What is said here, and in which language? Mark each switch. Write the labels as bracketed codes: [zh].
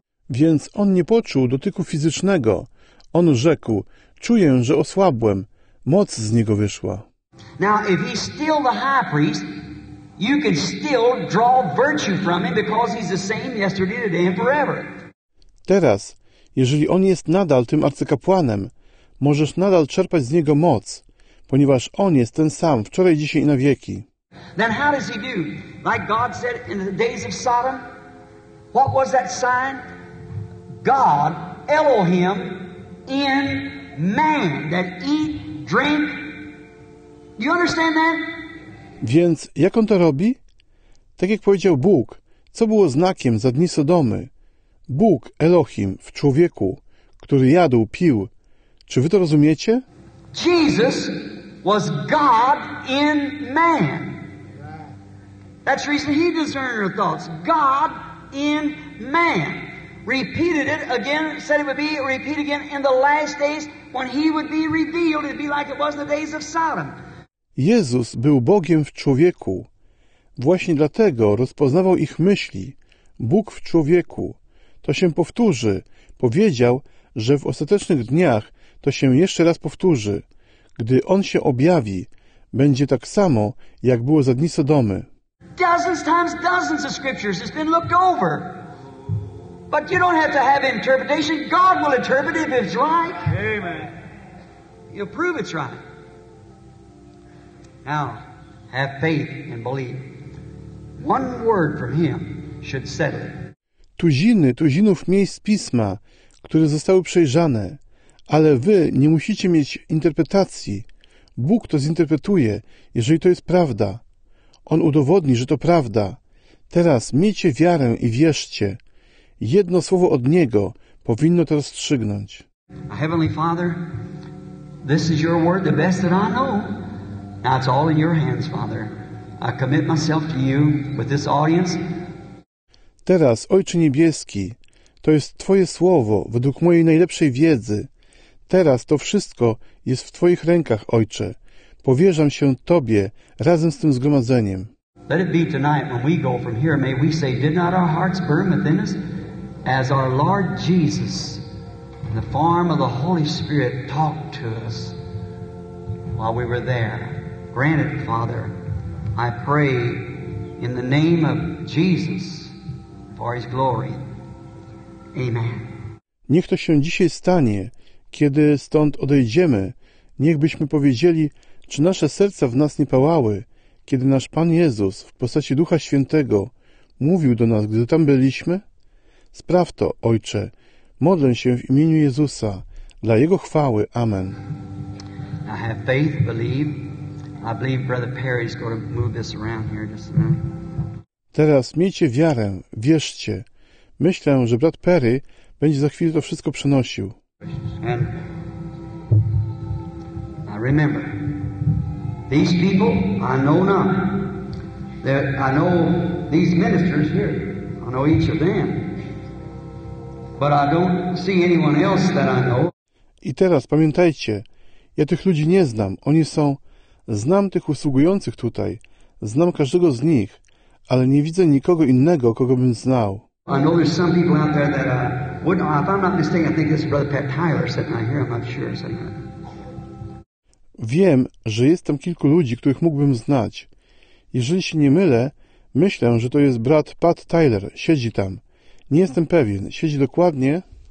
[pl] Więc On nie poczuł dotyku fizycznego. On rzekł, czuję, że osłabłem. Moc z Niego wyszła. [en] Now, if he's still the high priest, you can still draw virtue from him because he's the same yesterday, today and forever. [pl] Teraz, jeżeli On jest nadal tym arcykapłanem, możesz nadal czerpać z Niego moc, ponieważ On jest ten sam wczoraj, dzisiaj i na wieki. [en] Then how does he do? Like God said in the days of Sodom, what was that sign? God, Elohim, in man, that eat, drink. You understand that? [pl] Więc jak On to robi? Tak jak powiedział Bóg, co było znakiem za dni Sodomy? Bóg, Elohim, w człowieku, który jadł, pił. Czy wy to rozumiecie? [en] Jesus was God in man. That's the reason he discerned our thoughts. God in man. Repeated it again, said it would be repeated again in the last days when he would be revealed. It'd be like it was in the days of Sodom. [pl] Jezus był Bogiem w człowieku. Właśnie dlatego rozpoznawał ich myśli. Bóg w człowieku. To się powtórzy. Powiedział, że w ostatecznych dniach to się jeszcze raz powtórzy. Gdy On się objawi, będzie tak samo, jak było za dni Sodomy. [en] Dozens times dozens of scriptures has been looked over. But you don't have to have interpretation. God will interpret it if it's right. Amen. He'll prove it's right. Now, have faith and believe. One word from him should settle it. [pl] Tuziny tuzinów miejsc pisma, które zostały przejrzane, ale wy nie musicie mieć interpretacji. Bóg to zinterpretuje, jeżeli to jest prawda. On udowodni, że to prawda. Teraz miejcie wiarę i wierzcie. Jedno słowo od Niego powinno to rozstrzygnąć. [en] Heavenly Father, this is your word, the best that I know. Now it's all in your hands, Father. I commit myself to you with this audience. [pl] Teraz, Ojcze Niebieski, to jest Twoje słowo według mojej najlepszej wiedzy. Teraz to wszystko jest w Twoich rękach, Ojcze. Powierzam się Tobie razem z tym zgromadzeniem. [en] Let it be tonight when we go from here, may we say, did not our hearts burn within us as our Lord Jesus in the form of the Holy Spirit talked to us while we were there. Grant it, Father, I pray in the name of Jesus. For his glory. Amen. [pl] Niech to się dzisiaj stanie, kiedy stąd odejdziemy. Niech byśmy powiedzieli, czy nasze serca w nas nie pałały, kiedy nasz Pan Jezus w postaci Ducha Świętego mówił do nas, gdy tam byliśmy? Spraw to, Ojcze. Modlę się w imieniu Jezusa. Dla Jego chwały. Amen. [en] I have faith, believe. I believe Brother Perry is going to move this around here just a minute. [pl] Teraz miejcie wiarę, wierzcie. Myślę, że brat Perry będzie za chwilę to wszystko przenosił. [en] I remember, these people I know not. I know these ministers here. I know each of them. But I don't see anyone else that I know. [pl] I teraz pamiętajcie, ja tych ludzi nie znam. Oni są, znam tych usługujących tutaj, znam każdego z nich. Ale nie widzę nikogo innego, kogo bym znał. [en] I know there's some people out there that if I'm not mistaken, I think this is Brother Pat Tyler sitting right here, I'm not sure. [pl] Wiem, że jest tam kilku ludzi, których mógłbym znać. Jeżeli się nie mylę, myślę, że to jest brat Pat Tyler, siedzi tam. Nie jestem pewien, siedzi dokładnie.